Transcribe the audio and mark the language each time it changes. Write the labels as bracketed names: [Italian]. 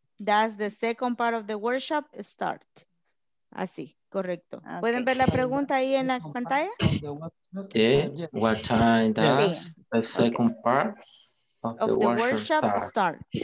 [English] Does the second part of the workshop start? [Spanish] Así, correcto. Okay. ¿Pueden ver la pregunta ahí en la pantalla? [English] Yeah. What time does the second part of the workshop start?